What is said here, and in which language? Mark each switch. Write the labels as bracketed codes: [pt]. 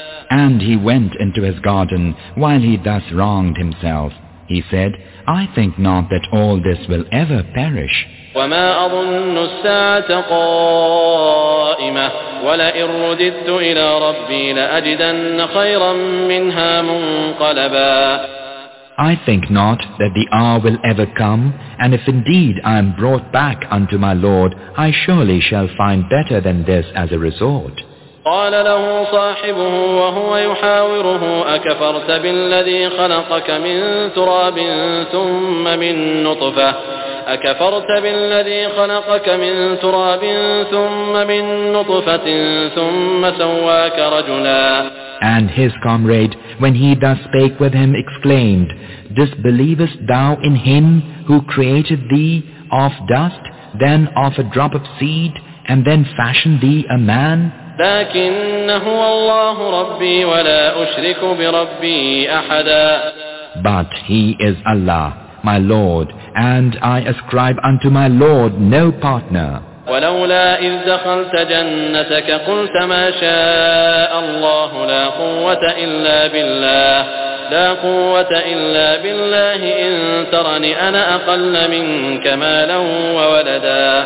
[en] And he went into his garden while he thus wronged himself. He said, I think not that all this will ever perish. [ar] وما أظن الساعة قائمة ولئن رددت إلى ربي لأجدن خيرا منها منقلبا. [en] I think not that the hour will ever come, and if indeed I am brought back unto my Lord, I surely shall find better than this as a resort. [ar] قال له صاحبه وهو يحاوره أكفرت بالذي خلقك من تراب ثم من نطفة أكفرت بالذي خلقك من تراب ثم من نطفة ثم سواك رجلا. [en] And his comrade, when he thus spake with him, exclaimed, Disbelievest thou in him who created thee of dust, then of a drop of seed, and then fashioned thee a man? [ar] لكن هو الله ربي ولا أشرك بربي أحدا. [en] But he is Allah, my Lord, and I ascribe unto my Lord no partner. [ar] ولولا إذ دخلت جنتك قلت ما شاء الله لا قوة إلا بالله لا قوة إلا بالله إن ترني أنا أقل منك مالا وولدا.